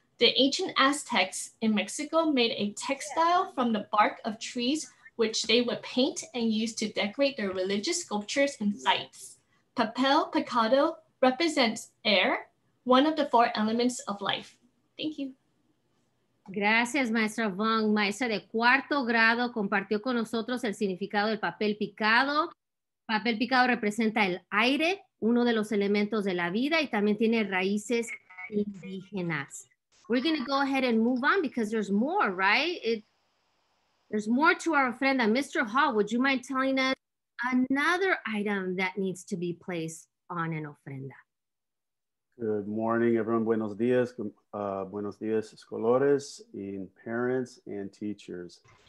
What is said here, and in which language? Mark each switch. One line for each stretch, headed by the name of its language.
English: The ancient Aztecs in Mexico made a textile from the bark of trees, which they would paint and use to decorate their religious sculptures and sites. Papel picado represents air, one of the four elements of life. Thank you.
Spanish: Gracias, Maestra Wong. Maestra de cuarto grado compartió con nosotros el significado del papel picado. Papel picado representa el aire, uno de los elementos de la vida, y también tiene raíces indígenas.
English: We're going to go ahead and move on because there's more, right? There's more to our friend. Mr. Hall, would you mind telling us another item that needs to be placed on an ofrenda? Good morning, everyone.
Spanish: Buenos días. Buenos días, escolares,
English: and parents and teachers.